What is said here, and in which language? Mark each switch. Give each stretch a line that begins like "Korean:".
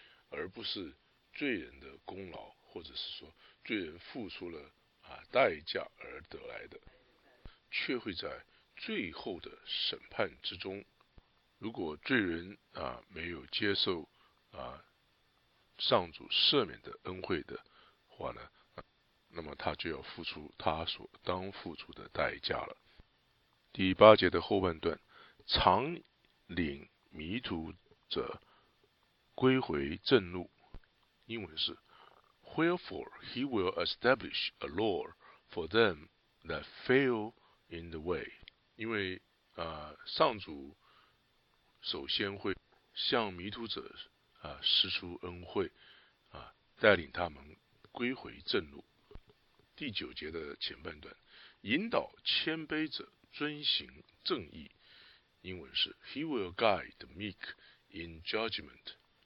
Chinese: 而不是罪人的功劳，或者是说罪人付出了代价而得来的，却会在最后的审判之中，如果罪人没有接受上主赦免的恩惠的话呢，那么他就要付出他所当付出的代价了。第八节的后半段，常领迷途者归回正路，英文是
English: Wherefore he will establish a law for them that fail in the way.
Chinese: 因为上主首先会向迷途者施出恩惠带领他们归回正路。第九节的前半段，引导谦卑者遵行正义，英文是
English: He will guide the meek in judgment.